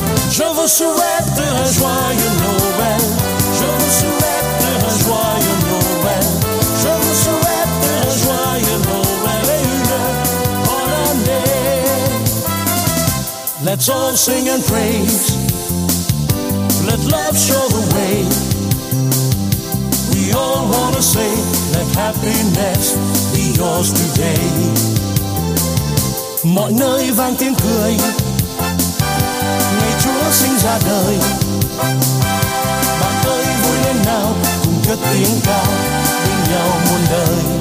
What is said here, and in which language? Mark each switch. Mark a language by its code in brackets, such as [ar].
[fr] Je vous souhaite un joyeux Noël. Je vous souhaite un joyeux Noël. Je vous souhaite un joyeux Noël et une bonne année. [en] Let's all sing and praise. Let love show the way. We all wanna say, let happiness be yours today. [vi] Mọi nơi vang tiếng cười, ngày Chúa sinh ra đời. Bạn ơi vui lên nào, cùng cất tiếng ca bên nhau muôn đời.